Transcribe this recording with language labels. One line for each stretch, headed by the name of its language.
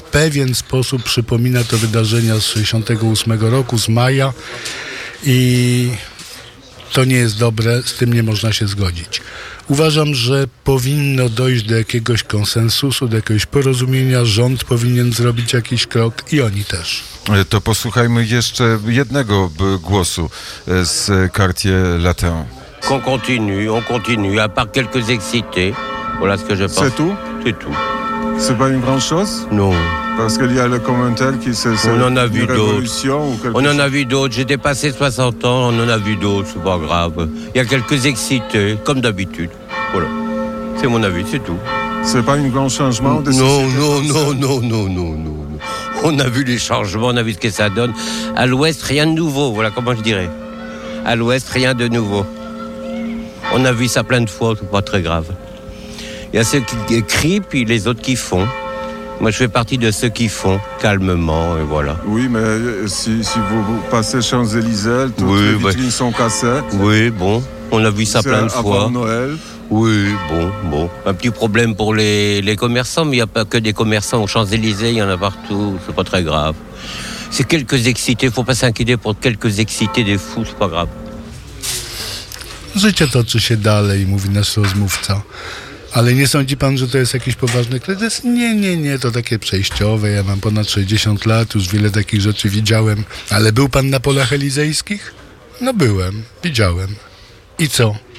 Polish: W pewien sposób przypomina to wydarzenia z 68 roku, z maja, i to nie jest dobre, z tym nie można się zgodzić. Uważam, że powinno dojść do jakiegoś konsensusu, do jakiegoś porozumienia, rząd powinien zrobić jakiś krok i oni też. To posłuchajmy jeszcze jednego głosu z Quartier Latin.
French: Qu'on continue, on continue, à part quelques excités. Voilà ce que je pense. C'est tout? C'est tout. C'est pas une grande chose? Non. Parce qu'il y a le commentaire qui s'est... On en a vu d'autres. On en a vu d'autres. J'ai dépassé 60 ans, on en a vu d'autres, c'est pas grave. Il y a quelques excités, comme d'habitude. Voilà. C'est mon avis, c'est tout. C'est pas un grand changement de société? Non, non, non, non, non, non, non, non. On a vu les changements, on a vu ce que ça donne. À l'ouest, rien de nouveau, voilà comment je dirais. À l'ouest, rien de nouveau. On a vu ça plein de fois, c'est pas très grave. Il y a ceux qui crient, puis les autres qui font. Moi, je fais partie de ceux qui font, calmement, et voilà. Oui, mais si vous passez Champs-Élysées, les vitrines sont cassées. Oui, bon, on a vu ça plein de fois. Avant Noël. Oui, bon. Un petit problème pour les commerçants, mais il n'y a pas que des commerçants aux Champs-Élysées, il y en a partout, c'est pas très grave. C'est quelques excités, faut pas s'inquiéter pour quelques excités des fous, c'est pas grave.
Polish: Życie toczy się dalej, mówi nasz rozmówca. Ale nie sądzi pan, że to jest jakiś poważny kryzys? Nie, nie, nie, to takie przejściowe. Ja mam ponad 60 lat, już wiele takich rzeczy widziałem. Ale był pan na Polach Elizejskich? No byłem, widziałem. I co?